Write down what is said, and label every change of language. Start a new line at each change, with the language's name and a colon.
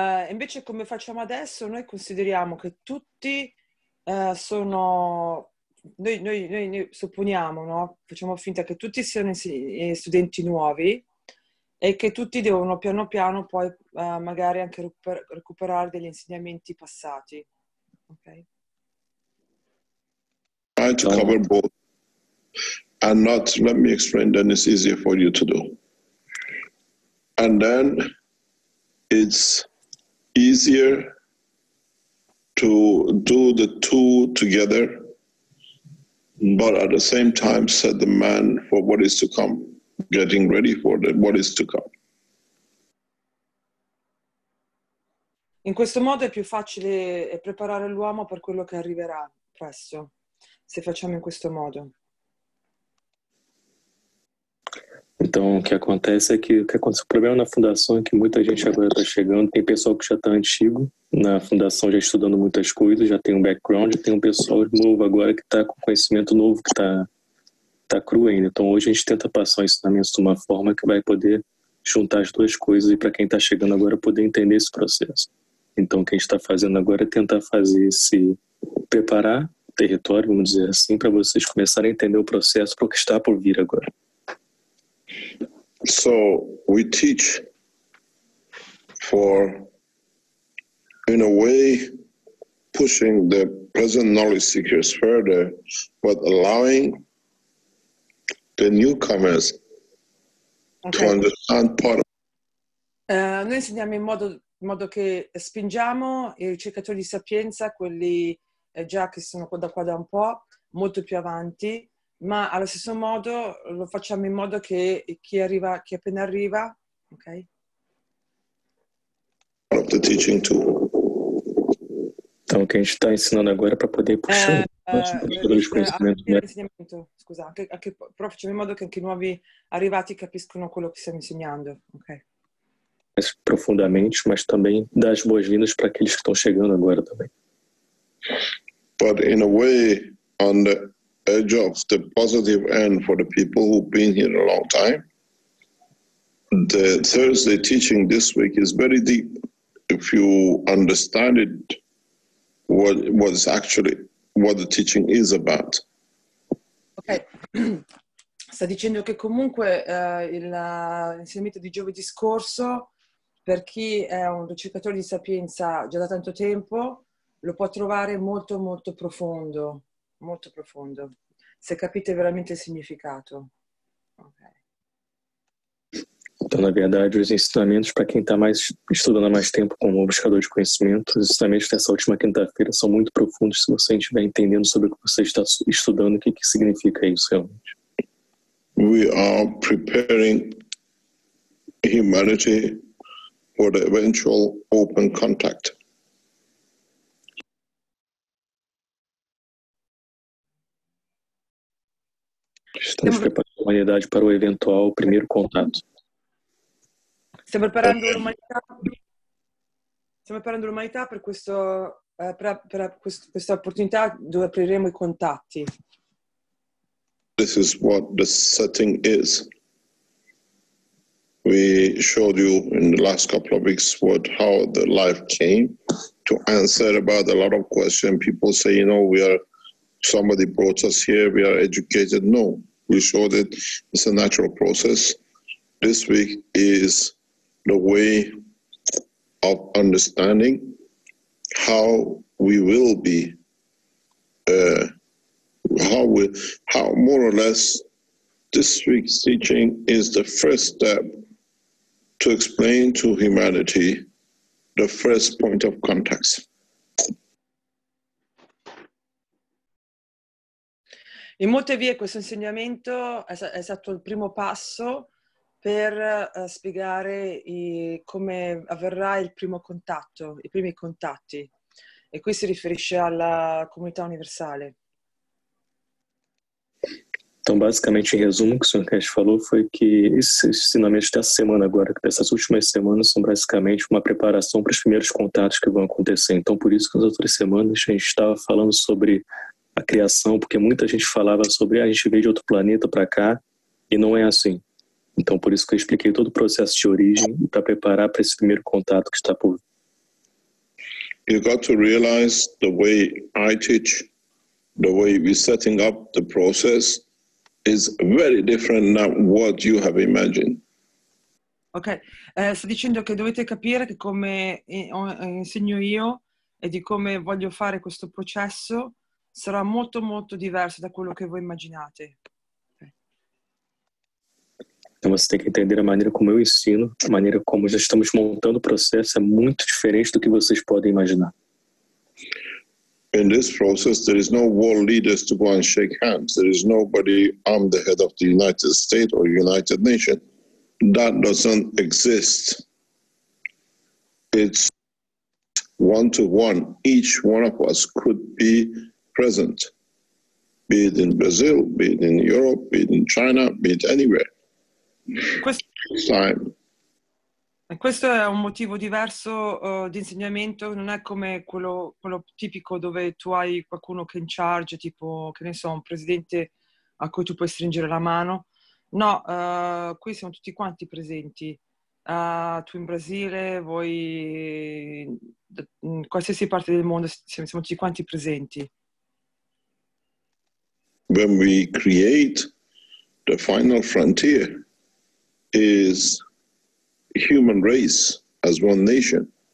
Italian: Invece come facciamo adesso, noi consideriamo che tutti sono, noi supponiamo, no? Facciamo finta che tutti siano studenti nuovi e che tutti devono piano piano poi magari anche recuperare degli insegnamenti passati. Okay.
English: Try to cover both and not, let me explain, then it's easier for you to do. And then it's easier to do the two together, but at the same time set the man for what is to come, getting ready for what is to come.
Italian: In questo modo è più facile preparare l'uomo per quello che arriverà presto, se facciamo in questo modo.
Portuguese: Então, o que acontece é que o que aconteceu, o problema na fundação é que muita gente agora está chegando, tem pessoal que já está antigo na fundação, já estudando muitas coisas, já tem um background, tem um pessoal novo agora que está com conhecimento novo, que está cru ainda. Então, hoje a gente tenta passar o ensinamento de uma forma que vai poder juntar as duas coisas e para quem está chegando agora poder entender esse processo. Então, o que a gente está fazendo agora é tentar fazer esse, preparar o território, vamos dizer assim, para vocês começarem a entender o processo para o que está por vir agora.
English: So we teach for, in a way, pushing the present knowledge seekers further, but allowing the newcomers to understand part of.
Italian: Noi insegniamo in modo che spingiamo i ricercatori di sapienza, quelli già che sono qua da un po', molto più avanti. Ma allo stesso modo lo facciamo in modo che chi appena arriva, ok?
English: Of the teaching tool.
Portuguese: Então, o que a gente está ensinando agora para poder puxar os conhecimentos.
Italian: Insegnamento, scusa, anche, però facciamo in modo che anche i nuovi arrivati capiscono quello che stiamo insegnando, ok?
Portuguese: Mais profondamente, mas também dá as boas-vindas para aqueles que estão chegando agora também.
English: But in a way, on the edge of the positive end for the people who've been here a long time. The Thursday teaching this week is very deep. If you understand it, what the teaching is about. Ok.
Italian: Sta dicendo che comunque l'insegnamento di giovedì scorso, per chi è un ricercatore di sapienza già da tanto tempo, lo può trovare molto, molto profondo. Molto profondo. Se capite veramente il significato. Okay.
Portuguese: Então, na verdade, os ensinamentos para quem está mais estudando há mais tempo como buscador de conhecimento, os ensinamentos dessa última quinta-feira são muito profundos se você estiver entendendo sobre o que você está estudando, o que significa isso realmente. We are preparing humanity for the eventual open contact. Estamos preparando a humanidade para o eventual primeiro contato. Estamos preparando a humanidade
Italian: stiamo preparando l'umanità per questo, per questa opportunità dove apriremo i contatti.
English: This is what the setting is. We showed you in the last couple of weeks what how the life came to answer about a lot of questions. People say, you know, we are somebody brought us here, we are educated. No, we showed it, it's a natural process. This week is the way of understanding how we will be, how more or less this week's teaching is the first step to explain to humanity the first point of contact.
Italian: In molte vie questo insegnamento è stato il primo passo per spiegare come avverrà il primo contatto, i primi contatti. E qui si riferisce alla comunità universale.
Portuguese: Então, basicamente, em resumo, o que o Sr. Cash falou foi que esse ensinamento dessa semana agora, dessas últimas semanas, são basicamente uma preparação para os primeiros contatos que vão acontecer. Então, por isso que nas outras semanas a gente estava falando sobre a criação, porque muita gente falava sobre a gente veio de outro planeta para cá, e não é assim. Então, por isso que eu expliquei todo o processo de origem para preparar para esse primeiro contato que está por vir.
English: You got to realize the way I teach, the way we setting up the process is very different than what you have imagined.
Italian: Ok, sto dicendo che dovete capire che come insegno io e di come voglio fare questo processo sarà molto molto diverso da quello che voi immaginate.
Portuguese: Então você tem que entender a maneira como eu ensino, a maneira como já estamos montando o processo é muito diferente do que vocês podem imaginar.
English: In this process, there is no world leaders to go and shake hands. There is nobody, I'm the head of the United States or United Nations. That doesn't exist. It's one to one. Each one of us could be present, be it in Brazil, be it in Europe, be it in China, be it anywhere.
Italian: Questo è un motivo diverso di insegnamento, non è come quello tipico dove tu hai qualcuno che è
English: in charge,
Italian: tipo, che ne so, un presidente a cui tu puoi stringere la mano. No, qui siamo tutti quanti presenti. Tu in Brasile, voi in qualsiasi parte del mondo, siamo tutti quanti presenti.
English: When we create the final frontier is human race as one nation.